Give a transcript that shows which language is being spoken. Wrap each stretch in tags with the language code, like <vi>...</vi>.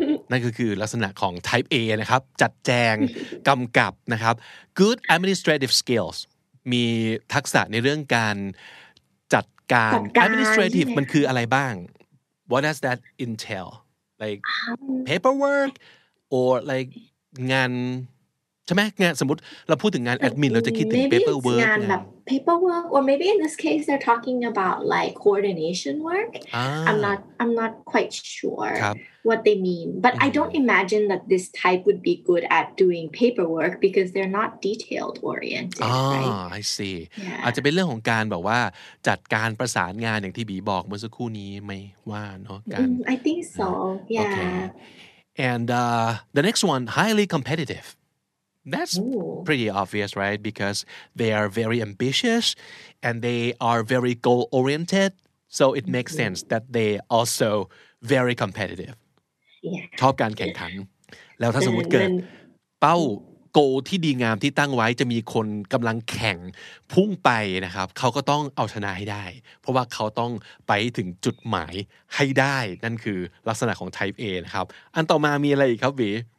<th>นั่นก็คือลักษณะของ type A นะครับจัดแจงกำกับนะครับ</th> <en>good administrative skills</en> <th>มีทักษะในเรื่องการการ administrative มันคืออะไรบ้าง</th> <en>What does that entail like paperwork or like</en> <th>งานใช่ไหมงานสมมติเราพูดถึงงาน admin เราจะคิดถึง paperwork งานแบบ</th> <en>paperwork or maybe in this case they're talking about like coordination work I'm not quite sure what they mean but I don't imagine that this type would be good at doing paperwork because they're not detailed oriented I see</en> <th>อาจจะเป็นเรื่องของการแบบว่าจัดการประสานงานอย่างที่บีบอกเมื่อสักครู่นี้ไม่ว่าเนาะการ</th> <en>I think so yeah okay. and the next one highly competitiveThat's Ooh. Pretty obvious, right? Because they are very ambitious and they are very goal-oriented. So it makes sense that they also very competitive. Yeah.</en> <th>ชอบการแข่งขันแล้วถ้าสมมุติเกิดเป้า goal ที่ดีงามที่ตั้งไว้จะมีคนกำลังแข่งพุ่งไปนะครับเขาก็ต้องเอาชนะให้ได้เพราะว่าเขาต้องไปถึงจุดหมายให้ได้นั่นคือลักษณะของ type A นะครับอันต่อมามีอะไรอีกครับวี</th>